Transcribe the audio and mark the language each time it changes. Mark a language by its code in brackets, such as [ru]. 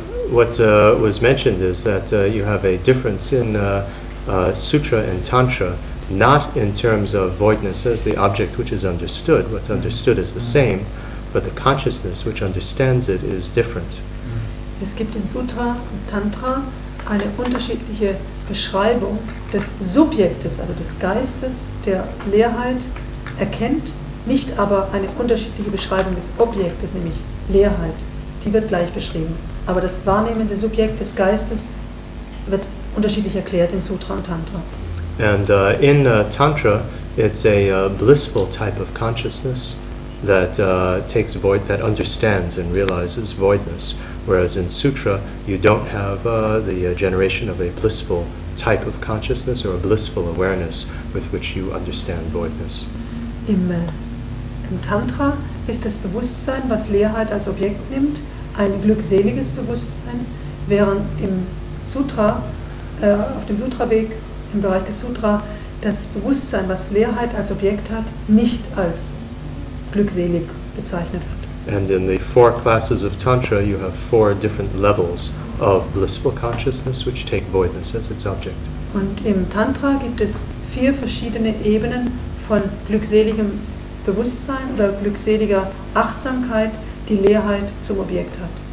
[en] Was mentioned is that you have a difference in sutra and tantra, not in terms of voidness as the object which is understood. What's understood is the same, but the consciousness which understands it is different. [de] Es gibt in Sutra und Tantra eine unterschiedliche Beschreibung des Subjektes, also des Geistes, der Leerheit erkennt, nicht aber eine unterschiedliche Beschreibung des Objektes, nämlich Leerheit, die wird gleich beschrieben. Aber das wahrnehmende Subjekt des Geistes wird unterschiedlich erklärt in Sutra und Tantra. [en] And in Tantra, it's a blissful type of consciousness that takes void, that understands and realizes voidness. Whereas in Sutra, you don't have the generation of a blissful type of consciousness or a blissful awareness with which you understand voidness. [de] Im Tantra ist das Bewusstsein, was Leerheit als Objekt nimmt, ein glückseliges Bewusstsein, während im Sutra, auf dem Sutra-Weg, im Bereich des Sutra, das Bewusstsein, was Leerheit als Objekt hat, nicht als glückselig bezeichnet wird. [en] And in the four classes of Tantra, you have four different levels of blissful consciousness, which take voidness as its object. [de] Und im Tantra gibt es vier verschiedene Ebenen von glückseligem Bewusstsein oder glückseliger Achtsamkeit, die Leerheit zum Objekt hat.